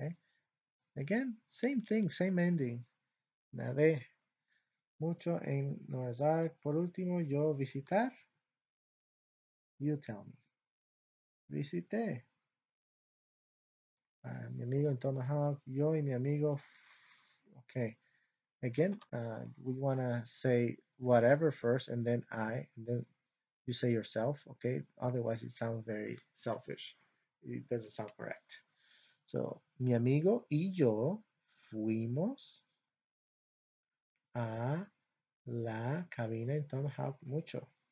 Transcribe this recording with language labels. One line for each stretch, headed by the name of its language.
English: Okay, again, same thing, same ending.
Spanish: Nadé mucho en Noah's Ark. Por último, yo visitar,
English: you tell me.
Spanish: Visité a mi amigo en Tomahawk, yo y mi amigo.
English: Okay, again, we want to say whatever first and then I, and then you say yourself, okay? Otherwise, it sounds very selfish. It doesn't sound correct.
Spanish: So, mi amigo y yo fuimos a la cabina en Tomahawk mucho.